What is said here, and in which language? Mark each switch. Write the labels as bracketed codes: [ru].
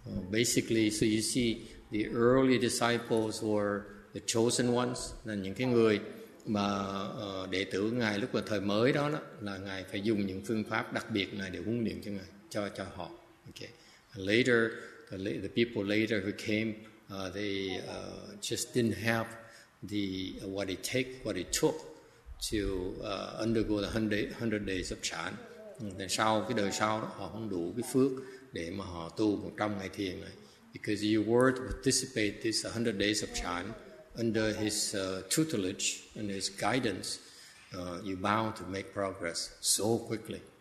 [en] Basically, so you see, the early disciples were the chosen ones, [vi] là những cái người mà đệ tử ngài lúc vào thời mới đó là ngài phải dùng những phương pháp đặc biệt này để huấn luyện cho ngài, cho họ. [en] Okay. Later, the people later who came, they just didn't have the what it took to undergo the 100 days of chan. [vi] Then sau cái đời sau đó họ không đủ cái phước để mà họ tu 100 ngày thiền này. [en] Because you were to participate this 100 days of chan under his tutelage and his guidance, you bound to make progress so quickly.